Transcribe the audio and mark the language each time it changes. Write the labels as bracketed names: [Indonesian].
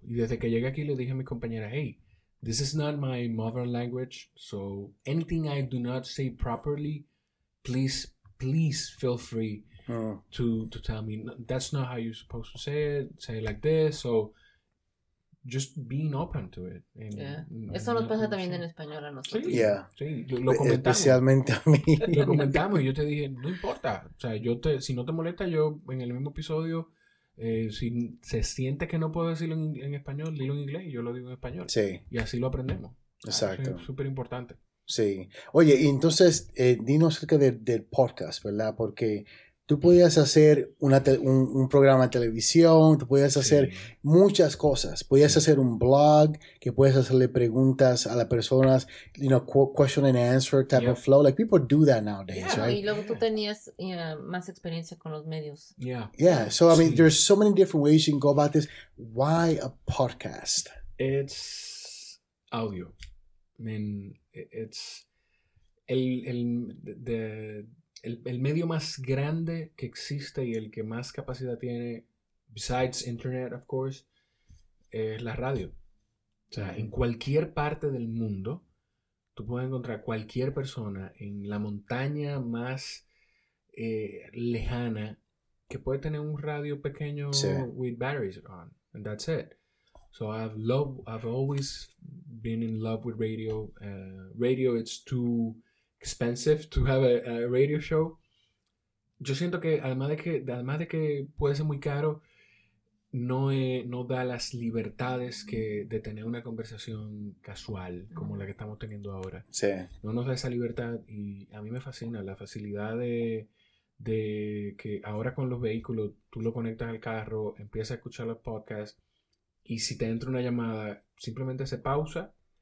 [Spanish] Y desde que llegué aquí le dije a mi compañera, hey, [English] this is not my mother language. So anything I do not say properly, please, please feel free to tell me. That's not how you're supposed to say it. Say it like this. So just being open to it. [Spanish] Eso nos pasa también en español a nosotros. Sí, [English] yeah. [Spanish] Sí, lo comentamos. Especialmente a mí. Lo comentamos y yo te dije, no importa. O sea, si no te molesta, yo en el mismo episodio, si se siente que no puedo decirlo en español, dilo en inglés y yo lo digo en español. Sí. Y así lo aprendemos. Exacto. Es súper importante. Sí. Oye, y entonces, dinos acerca del podcast, ¿verdad? Porque tú podías hacer un programa de televisión, tú podías hacer muchas cosas. Podías hacer un blog, que puedes hacerle preguntas a las personas, [English] you know, question and answer type of flow. Like, people do that nowadays, right? [Spanish] Y luego tú tenías más experiencia con los medios. [English] Yeah. So, I mean, there's so many different ways you can go about this. Why a podcast? It's audio. I mean, it's [Spanish] el medio más grande que existe y el que más capacidad tiene, [English] besides internet, of course, [Spanish] es la radio. O sea, en cualquier parte del mundo, tú puedes encontrar cualquier persona en la montaña más lejana que puede tener un radio pequeño [English] with batteries on. And that's it. So I've always been in love with radio. Radio, it's too expensive to have a radio show. [Spanish] Yo siento que además de que puede ser muy caro, no da las libertades que de tener una conversación casual como la que estamos teniendo ahora. Sí. No nos da esa libertad y a mí me fascina la facilidad de que ahora con los vehículos tú lo conectas al carro, empiezas a escuchar los podcasts y si te entra una llamada simplemente se pausa.